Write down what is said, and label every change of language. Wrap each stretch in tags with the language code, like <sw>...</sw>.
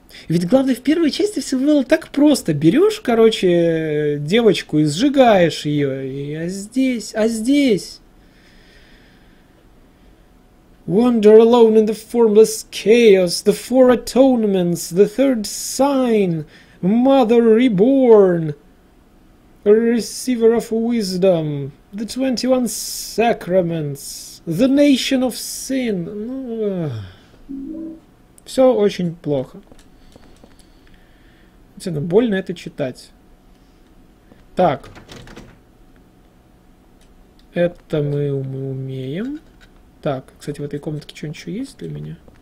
<ru>Ведь главное, в первой части все было так просто. Берешь, короче, девочку и сжигаешь ее. И, а здесь...</ru> <en>Wander alone in the formless chaos, the four atonements, the third sign, mother reborn, a receiver of wisdom, the 21 sacraments, the nation of sin.</en> <ru>Ну, все очень плохо. Действительно, больно это читать. Так. Это мы умеем. Так, кстати, в этой комнатке что-нибудь еще есть для меня?</ru>